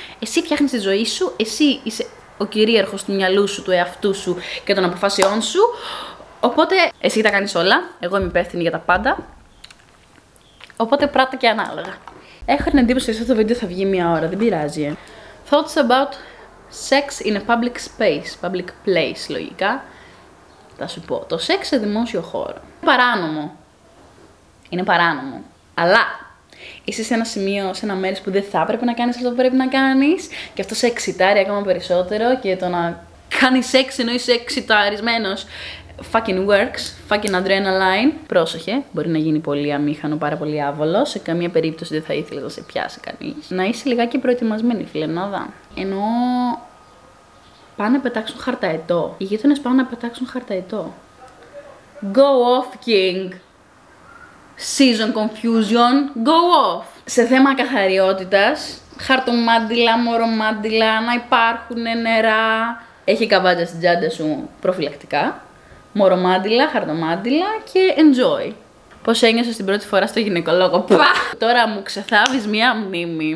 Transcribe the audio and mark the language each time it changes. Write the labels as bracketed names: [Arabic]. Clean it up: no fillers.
[Greek] Εσύ φτιάχνεις τη ζωή σου, εσύ είσαι ο κυρίαρχος του μυαλού σου, του εαυτού σου και των αποφάσεών σου. Οπότε εσύ τα κάνεις όλα, εγώ είμαι υπεύθυνη για τα πάντα. Οπότε πράττω και ανάλογα. Έχω την εντύπωση ότι αυτό το βίντεο θα βγει μία ώρα, δεν πειράζει. [English] Thoughts about sex in a public space, public place, [Greek] λογικά. Θα σου πω, το σεξ σε δημόσιο χώρο. Είναι παράνομο. Είναι παράνομο. Αλλά είσαι σε ένα σημείο, σε ένα μέρος που δεν θα έπρεπε να κάνεις αυτό που πρέπει να κάνεις και αυτό σε εξιτάρει ακόμα περισσότερο και το να κάνεις σεξ ενώ είσαι εξιτάρισμένος [English] fucking works, fucking adrenaline. [Greek] Πρόσεχε, μπορεί να γίνει πολύ αμήχανο, πάρα πολύ άβολο. Σε καμία περίπτωση δεν θα ήθελε να σε πιάσει κανείς. Να είσαι λιγάκι προετοιμασμένη, φιλενάδα. Ενώ πάνε να πετάξουν χαρταετό. Οι γείτονες πάνε να πετάξουν χαρταετό. [English] Go off, king! Season confusion, go off! [Greek] Σε θέμα καθαριότητας, χαρτομάντιλα, μωρομάντιλα, να υπάρχουν νερά. Έχει καβάντζα στην τσάντα σου προφυλακτικά. Μωρομάντιλα, χαρτομάντιλα και enjoy. Πώς ένιωσες την πρώτη φορά στο γυναικολόγο? Τώρα μου ξεθάβεις μία μνήμη.